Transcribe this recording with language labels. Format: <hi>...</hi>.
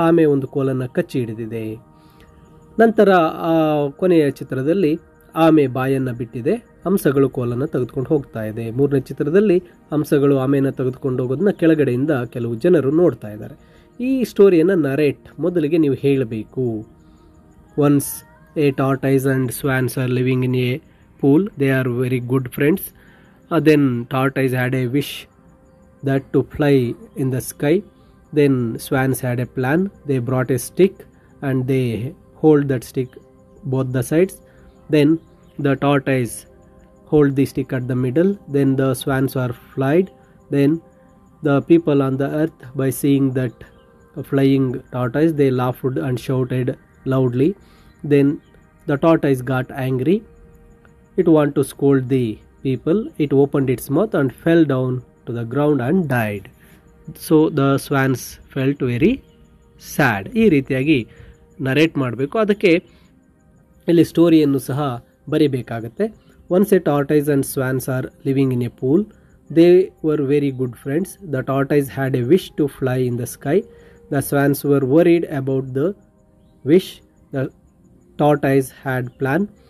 <kn>ಆಮೆ ಒಂದು ಕೋಲನ್ನು ಕಚ್ಚಿ ಹಿಡಿದಿದೆ. ನಂತರ ಕೊನೆಯ ಚಿತ್ರದಲ್ಲಿ ಆಮೆ ಬಾಯನ್ನು ಬಿಟ್ಟಿದೆ, ಹಂಸಗಳು ಕೋಲನ್ನು ತೆಗೆದುಕೊಂಡು ಹೋಗ್ತಾ ಇದೆ. ಮೂರನೇ ಚಿತ್ರದಲ್ಲಿ ಹಂಸಗಳು ಆಮೆಯನ್ನು ತೆಗೆದುಕೊಂಡು ಹೋಗೋದನ್ನ ಕೆಳಗಡೆಯಿಂದ ಕೆಲವು ಜನರು ನೋಡ್ತಾ ಇದ್ದಾರೆ. ಈ ಸ್ಟೋರಿಯನ್ನು ನರೇಟ್ ಮೊದಲಿಗೆ ನೀವು ಹೇಳಬೇಕು.</kn> <en>Once a tortoise and swans are living in a pool. They are very good friends. Then tortoise had a wish that to fly in the sky. Then swans had a plan. They brought a stick and they hold that stick both the sides. Then the tortoise hold the stick at the middle. Then the swans are flied. Then the people on the earth, by seeing that flying tortoise, they laughed and shouted loudly. Then the tortoise got angry. It wanted to scold the people. It opened its mouth and fell down to the ground and died. So the swans felt very sad.</en> <kn>ಈ ರೀತಿಯಾಗಿ narrate ಮಾಡಬೇಕು, ಅದಕ್ಕೆ ಇಲ್ಲಿ ಸ್ಟೋರಿಯನ್ನು ಸಹ ಬರೀಬೇಕಾಗತ್ತೆ.</kn> <en>Once a tortoise and swans are living in a pool. They were very good friends. The tortoise had a wish to fly in the sky. The swans were worried about the wish. The tortoise had plan.</en>